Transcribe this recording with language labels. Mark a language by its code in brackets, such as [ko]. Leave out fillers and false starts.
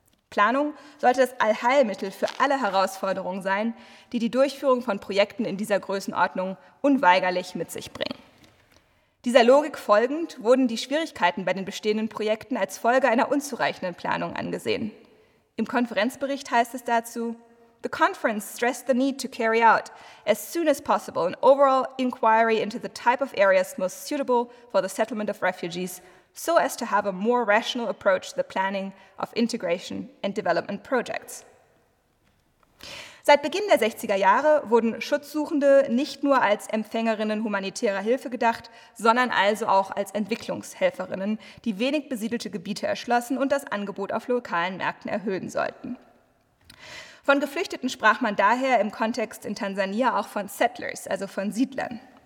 [de] Planung sollte das Allheilmittel für alle Herausforderungen sein, die die Durchführung von Projekten in dieser Größenordnung unweigerlich mit sich bringen. Dieser Logik folgend wurden die Schwierigkeiten bei den bestehenden Projekten als Folge einer unzureichenden Planung angesehen. Im Konferenzbericht heißt es dazu: [en] The conference stressed the need to carry out, as soon as possible, an overall inquiry into the type of areas most suitable for the settlement of refugees, so as to have a more rational approach to the planning of integration and development projects. [de] Seit Beginn der 60er Jahre wurden Schutzsuchende nicht nur als Empfängerinnen humanitärer Hilfe gedacht, sondern also auch als Entwicklungshelferinnen, die wenig besiedelte Gebiete erschlossen und das Angebot auf lokalen Märkten erhöhen sollten. Von Geflüchteten sprach man daher im Kontext in Tansania auch von Settlers, also von Siedlern.